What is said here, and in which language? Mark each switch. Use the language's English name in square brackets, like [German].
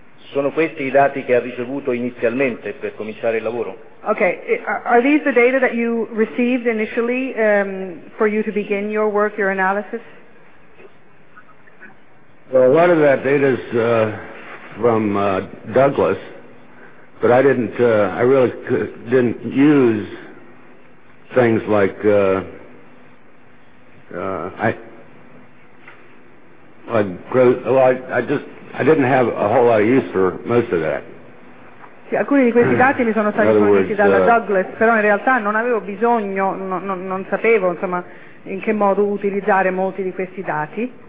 [Italian] Sono questi i dati che ha ricevuto inizialmente per cominciare il lavoro? [English] Okay, are these the data that you received initially for you to begin your work, your analysis? Well, a lot of that data is from Douglas, but I really didn't use things like I didn't have a whole lot of use for most of that. [Italian] Alcuni di questi dati mi sono stati forniti dalla Douglas, però in realtà non avevo bisogno, non sapevo, insomma, in che modo utilizzare molti di questi dati.